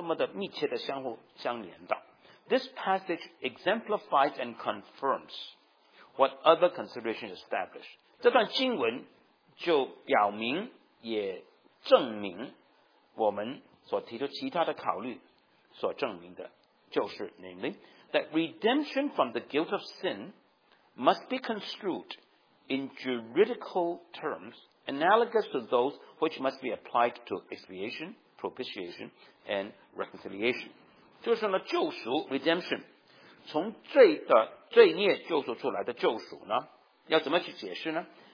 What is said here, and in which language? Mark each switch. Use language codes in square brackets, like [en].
[zh] 所以很明显的就指出呢，这些不同的概念是这么的密切的相互相连的。 [en] This passage exemplifies and confirms what other considerations establish. [zh] 这段经文 就表明也证明我们所提出其他的考虑所证明的，就是 [en] namely that redemption from the guilt of sin must be construed in juridical terms analogous to those which must be applied to expiation, propitiation, and reconciliation. [zh] 就是说呢，救赎 redemption 从罪的罪孽救赎出来的救赎呢，要怎么去解释呢？